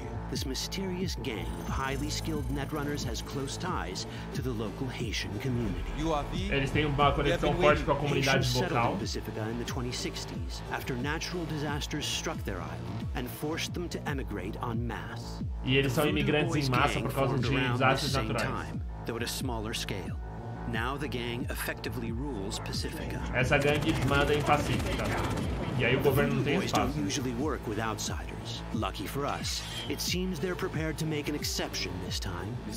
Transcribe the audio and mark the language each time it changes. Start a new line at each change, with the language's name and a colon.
English: This mysterious gang of highly skilled netrunners has close ties to the local Haitian community.
Portuguese: Eles têm uma conexão forte com a comunidade local.
English: Haitians settled in Pacifica in the 2060s after natural disasters struck their island and forced them to emigrate en masse.
Portuguese: E eles são imigrantes em massa por causa de desastres naturais.
English: Though at a smaller scale. Now the gang effectively rules Pacifica.
Portuguese: Essa gangue manda em Pacifica. E aí o governo não tem espaço.
English: Voodoo Boys usually work with outsiders. Lucky for us, it seems they're prepared to make an exception this time.